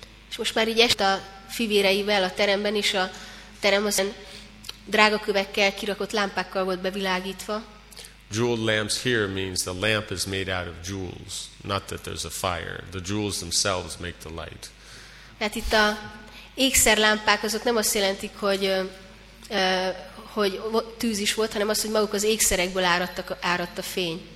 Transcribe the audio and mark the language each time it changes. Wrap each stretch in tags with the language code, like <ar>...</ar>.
<hu>És most már így este a fivéreivel a teremben is a terem azon drágakövekkel kirakott lámpákkal volt bevilágítva.</hu> <en>Jeweled lamps here means the lamp is made out of jewels, not that there's a fire. The jewels themselves make the light.</en> <hu>Hát itt a ékszerlámpák azok nem azt jelentik, hogy hogy tűz is volt, hanem az, hogy maguk az ékszerekből áradt a fény.</hu>